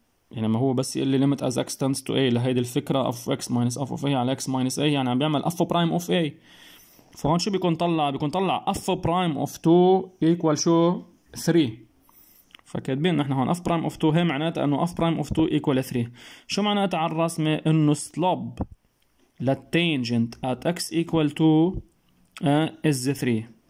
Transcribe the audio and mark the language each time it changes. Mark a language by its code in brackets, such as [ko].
[ar] يعني ما هو بس يقول لي [en] limit as x tends to a [ar] لهيدي الفكرة f x minus f of a على x minus a، يعني عم بيعمل f prime of a. فهون شو بيكون طلع؟ بيكون طلع f prime of 2 equal شو؟ 3. فكاتبين نحن هون f prime of 2 هي معناتها انه f prime of 2 equal 3. شو معناتها على الرسمة؟ انه [en] slope للtangent at x equal 2 is 3.